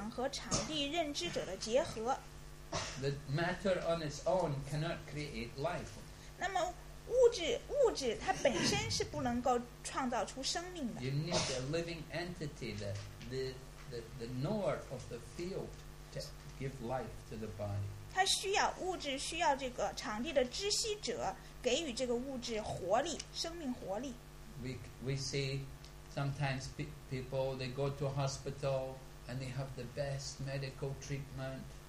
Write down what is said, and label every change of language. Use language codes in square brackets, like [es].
[zh] 都讲到了活动场和场地认知者的结合。 [en] The matter on its own cannot create life. [zh] 那么物质它本身是不能够创造出生命的。 [en] You need a living entity, the knower of the field, to give life to the body. [zh] 它需要物质，需要这个场地的知悉者给予这个物质活力，生命活力。 [en] We see sometimes people, they go to a hospital and they have the best medical treatment.